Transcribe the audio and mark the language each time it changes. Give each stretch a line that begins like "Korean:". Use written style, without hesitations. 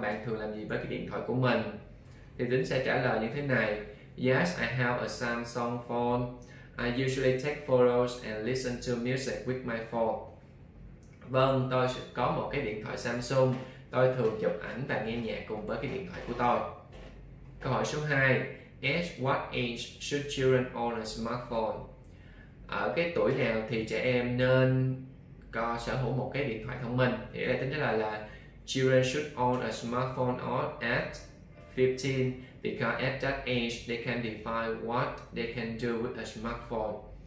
Vietnamese: Bạn thường làm gì với cái điện thoại của mình? Thì Tính sẽ trả lời như thế này.
English: Yes, I have a Samsung phone. I usually take photos and listen to music with my phone.
Vietnamese: Vâng, tôi có một cái điện thoại Samsung. Tôi thường chụp ảnh và nghe nhạc cùng với cái điện thoại của tôi. Câu hỏi số 2.
English: At what age should children own a smartphone?
Vietnamese: Ở cái tuổi nào thì trẻ em nên có sở hữu một cái điện thoại thông minh? Thì đây tính là
English: children should own a smartphone at 15 because at that age they can define what they can do with a smartphone.